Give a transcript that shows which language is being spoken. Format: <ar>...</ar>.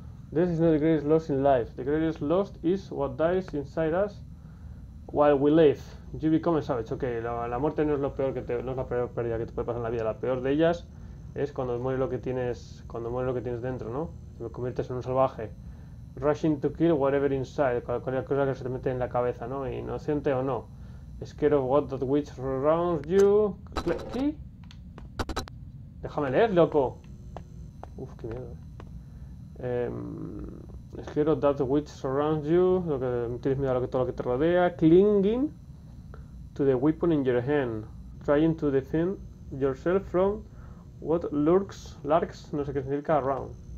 <en>This is not the greatest loss in life. The greatest loss is what dies inside us while we live. You become a savage.</en> <es>Ok, la muerte no es lo peor que te, no es la peor pérdida que te puede pasar en la vida. La peor de ellas es cuando muere lo que tienes, cuando muere lo que tienes dentro, ¿no? Te conviertes en un salvaje.</es> <en>Rushing to kill whatever inside,</en> <es>cualquier cosa que se te mete en la cabeza, ¿no? Inocente o no.</es> <en>Scared of what that witch surrounds you.</en> <es>¿Qué? Déjame leer, loco. Uf, qué miedo.</es> <en>Scared of that witch surrounds you.</en> <es>Lo que tienes miedo a lo que, todo lo que te rodea.</es> <en>Clinging to the weapon in your hand, trying to defend yourself from what lurks, larks,</en> <es>no sé qué significa,</es> <en>around.</en>